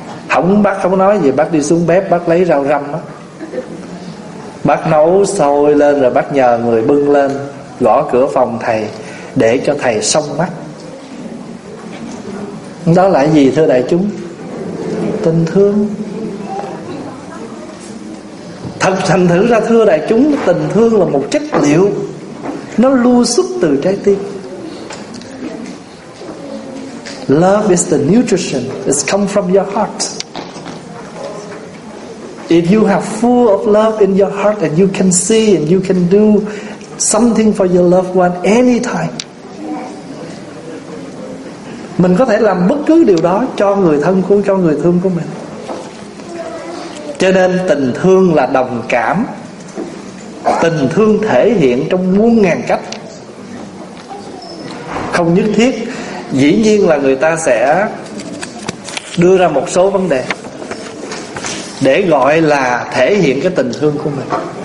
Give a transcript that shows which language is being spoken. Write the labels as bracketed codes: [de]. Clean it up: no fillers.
[vi] Không, bác không nói gì, bác đi xuống bếp bác lấy rau răm á, bác nấu sôi lên rồi bác nhờ người bưng lên gõ cửa phòng thầy để cho thầy xông mắt. Đó là gì thưa đại chúng? Tình thương. Thật thành thử ra thưa đại chúng, tình thương là một chất liệu, nó lưu xuất từ trái tim. [en] Love is the nutrition, it's come from your heart. If you have full of love in your heart and you can see and you can do something for your loved one anytime. [vi] Mình có thể làm bất cứ điều đó cho người thân của, cho người thương của mình. Cho nên tình thương là đồng cảm. Tình thương thể hiện trong muôn ngàn cách. Không nhất thiết, dĩ nhiên là người ta sẽ đưa ra một số vấn đề để gọi là thể hiện cái tình thương của mình.